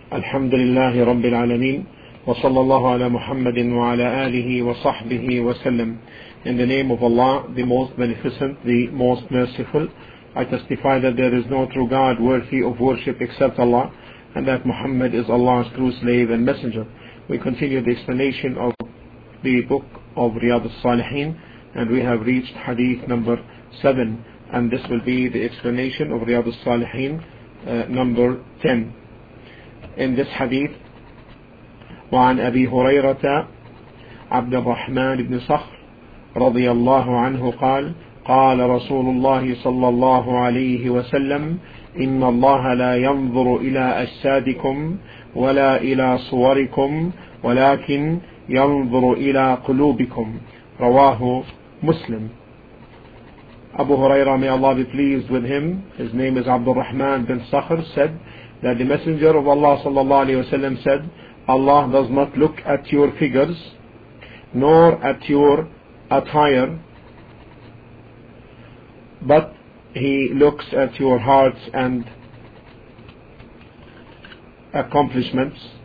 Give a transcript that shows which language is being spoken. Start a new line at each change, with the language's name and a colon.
Arabic: الحمد لله رب العالمين، وصلى الله على محمد وعلى آله وصحبه وسلم.
English: In the name of Allah, the Most Beneficent, the Most Merciful, I testify that there is no true God worthy of worship except Allah, and that Muhammad is Allah's true slave and messenger. We continue the explanation of the book of Riyad al-Salihin, and we have reached hadith number 7, and this will be the explanation of Riyad al-Salihin number 10. In this hadith,
Arabic: وعن أبي هريرة عبد الرحمن بن صخر رضي الله عنه قال قال رسول الله صلى الله عليه وسلم إن الله لا ينظر إلى أجسادكم ولا إلى صوركم ولكن ينظر إلى قلوبكم. رواه مسلم.
English: Abu Huraira, may Allah be pleased with him, his name is Abdul Rahman bin Sakhr, said that the Messenger of Allah sallallahu alayhi wa sallam said, Allah does not look at your figures, nor at your attire, but He looks at your hearts and accomplishments.